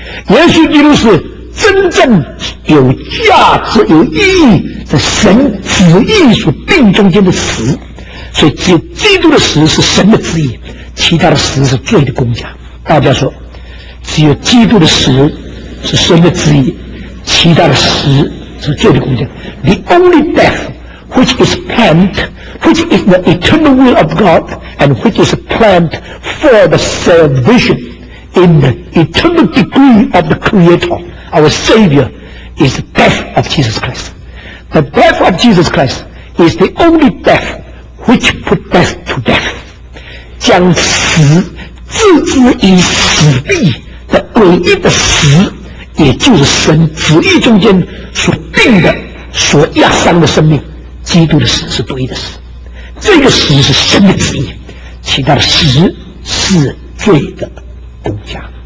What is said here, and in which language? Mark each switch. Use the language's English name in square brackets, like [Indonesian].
[Chinese] 耶稣基督是真正有价值有意义在神旨意所定中间的死，所以只有基督的死是神的旨意，其他的死是罪的工价。大家说，只有基督的死是神的旨意，其他的死是罪的工价。 [English] The only death which is planned, which is the eternal will of God, and which is planned for the salvation in the eternal decree of the Creator, our Savior, is the death of Jesus Christ. The death of Jesus Christ is the only death which put death to death. [Chinese] 将死置之于死地的诡异的死，也就是神旨意中间所定的、所压伤的生命，基督的死是独一的死，这个死是神的旨意，其他的死是罪的工价。